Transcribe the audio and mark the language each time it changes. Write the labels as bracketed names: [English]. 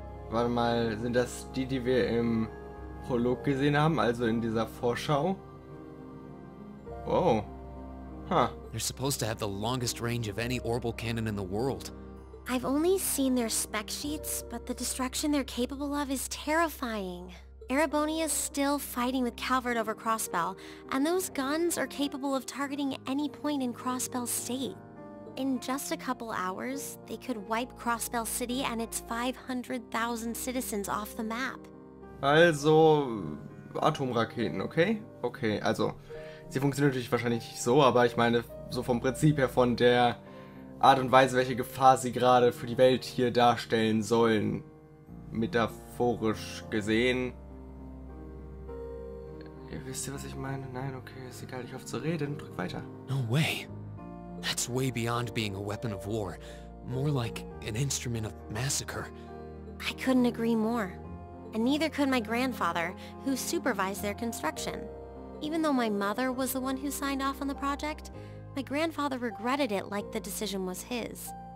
[German] Warte mal, sind das die, die wir im Prolog gesehen haben? Also in dieser Vorschau? Wow. Huh. [English] They're supposed to have the longest range of any orbital cannon in the world. I've only seen their spec sheets, but the destruction they're capable of is terrifying. Erebonia's still fighting with Calvert over Crossbell, and those guns are capable of targeting any point in Crossbell State. In just a couple hours, they could wipe Crossbell City and its 500,000 citizens off the map. [German] Also, Atomraketen, okay? Okay, also... Sie funktioniert natürlich wahrscheinlich nicht so, aber ich meine, so vom Prinzip her, von der Art und Weise, welche Gefahr sie gerade für die Welt hier darstellen sollen, metaphorisch gesehen. Ihr wisst ja, was ich meine? Nein, okay, ist egal, ich hoffe zu reden, drück weiter. [English] No way. That's way beyond being a weapon of war. More like an instrument of massacre. I couldn't agree more. And neither could my grandfather, who supervised their construction. Even though my mother was the one who signed off on the project, my grandfather regretted it like the decision was his.